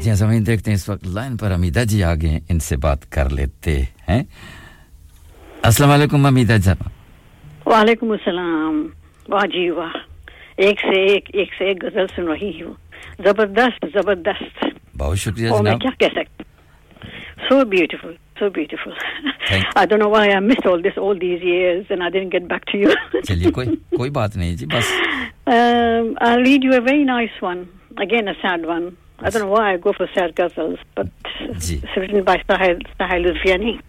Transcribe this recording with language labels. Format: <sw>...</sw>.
<hi>जी समय देखते हैं इस वक्त लाइन पर अमीदा जी आ गए इनसे बात कर लेते हैं अस्सलाम वालेकुम अमीदा जी वालेकुम सलाम वाह जी वाह एक से एक गजल सुन रही हूँ जबरदस्त जबरदस्त बहुत शुक्रिया जनाब और मैं क्या कह सकती</hi> <en>So beautiful, so beautiful. I don't know why I missed all this all these years and I didn't get back to you.</en> <hi>चलिए कोई कोई बात नहीं जी बस.</hi> <en>I'll read you a very nice one. Again, a sad one. I don't know why I go for sad ghazals, but it's written by Sahil Rufiani.</en>